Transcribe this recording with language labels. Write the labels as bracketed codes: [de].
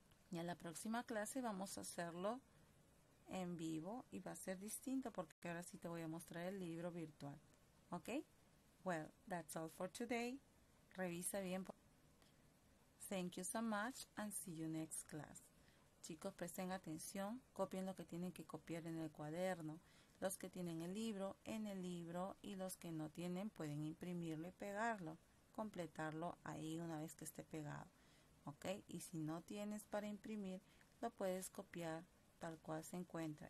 [es] Y a la próxima clase vamos a hacerlo en vivo y va a ser distinto porque ahora sí te voy a mostrar el libro virtual, ¿ok? [en] Well, that's all for today. [es] Revisa bien. [en] Thank you so much and see you next class. [es] Chicos, presten atención, copien lo que tienen que copiar en el cuaderno. Los que tienen el libro, en el libro, y los que no tienen pueden imprimirlo y pegarlo, completarlo ahí una vez que esté pegado. Ok, y si no tienes para imprimir, lo puedes copiar tal cual se encuentra.